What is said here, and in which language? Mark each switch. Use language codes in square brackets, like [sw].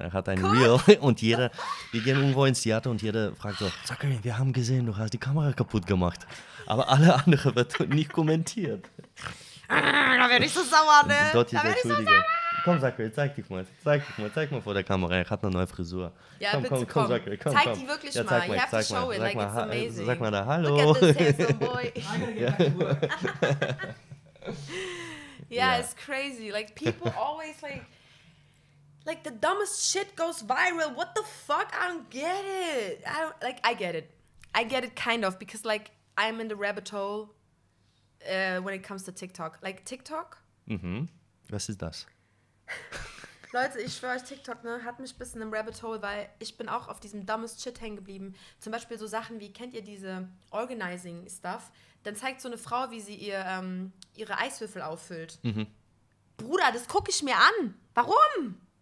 [de] Er hat ein Reel und jeder, wir gehen irgendwo ins Theater und jeder fragt so, Zachary, wir haben gesehen, du hast die Kamera kaputt gemacht. Aber alle anderen wird nicht kommentiert. Da werde ich so sauer, ne? Dort ist da werde ich so sauer. Komm, Zachary, zeig dich mal vor der Kamera. Er hat eine neue Frisur. Ja, komm, Zachary, komm. Zeig die wirklich mal. Zeig mal, [en] you have to show it, like it's amazing. [de] Sag mal da, hallo. [en] Look at this handsome boy. Yeah, it's crazy. Like, people always, like, the dumbest shit goes viral. What the fuck? I don't get it. I get it kind of, because, like, I'm in the rabbit hole when it comes to TikTok. Like, TikTok? [de] Mhm. Was ist das? Leute, ich schwöre euch, TikTok, ne, hat mich ein bisschen im Rabbit Hole, weil ich bin auch auf diesem dummest Shit hängen geblieben. Zum Beispiel so Sachen wie, kennt ihr diese Organizing-Stuff? Dann zeigt so eine Frau, wie sie ihre Eiswürfel auffüllt. Mhm. Bruder, das gucke ich mir an. Warum?